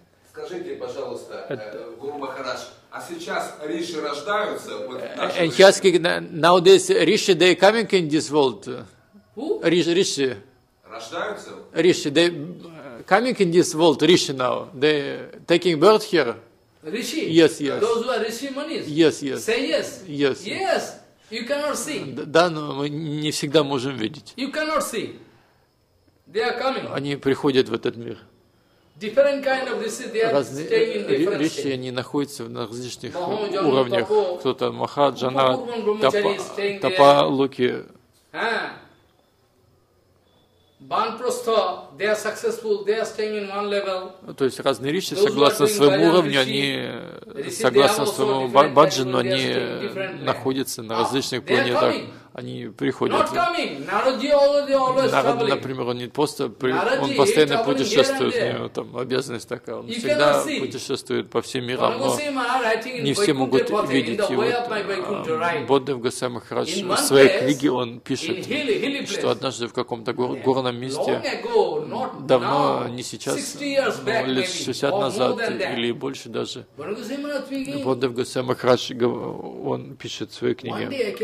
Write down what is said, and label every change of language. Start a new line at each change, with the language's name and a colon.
Russian: Скажите, пожалуйста, Гуру Махарадж, а сейчас риши рождаются?
English: Вот, he's asking, nowadays, риши, they coming in this world? Who?
Russian: Риши. Рождаются?
English: Риши, they coming in this world, риши now. They taking birth here?
Russian: Риши?
English: Yes. Those who are риши monies? Yes, yes. Say yes? Yes. Yes, you cannot see.
Russian: Да, но мы не всегда можем видеть.
English: You cannot see. They are coming.
Russian: Они приходят в этот мир.
English: Different kind of rishi, they are staying in different states.
Russian: Rishi, они находятся на различных уровнях. Кто-то Махаджана, Тапа, Луки.
English: Банпрастха, they are successful, they are staying in one level.
Russian: То есть разные риши, согласно своему уровню, они согласно своему баджану, они находятся на различных планетах. Они приходят. Народ, например, он постоянно путешествует, у него там обязанность такая, он всегда путешествует по всем мирам, но не все могут видеть. И вот Бодхев Госвами Махарадж в своей книге он пишет, что однажды в каком-то горном месте, давно, не сейчас, лет 60 назад или больше даже, Бодхев Госвами Махарадж, он пишет в своей книге.